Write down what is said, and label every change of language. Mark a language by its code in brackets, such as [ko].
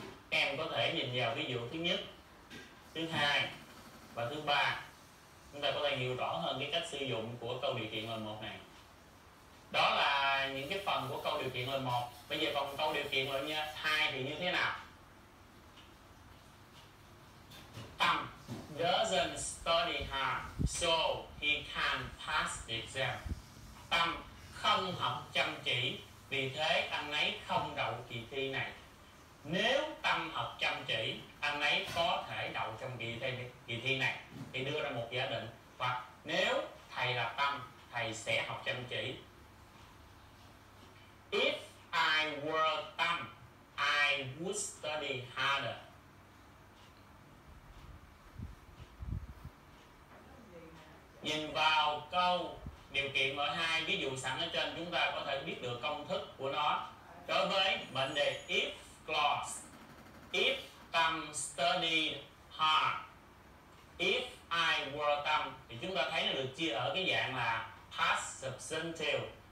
[vi] Em có thể nhìn vào ví dụ thứ nhất, thứ hai và thứ ba. Chúng ta có thể hiểu rõ hơn cái cách sử dụng của câu điều kiện là một này. Đó là những cái phần của câu điều kiện là một. Bây giờ còn câu điều kiện là như hai thì như thế nào? [en] Tom doesn't study hard, so he can't pass the exam. [vi] Tom không học chăm chỉ, vì thế anh ấy không đậu kỳ thi này. Nếu Tom học chăm chỉ, anh ấy có thể đậu trong kỳ thi này. Thì đưa ra một giả định. Hoặc nếu thầy là Tom, thầy sẽ học chăm chỉ. [en] If I were Tom, I would study harder. [vi] Nhìn vào câu điều kiện mở 2, ví dụ sẵn ở trên, chúng ta có thể biết được công thức của nó. Đối với mệnh đề if clause, [en] if Tom studied hard, if I were Tom, [vi] thì chúng ta thấy nó được chia ở cái dạng là past substantive.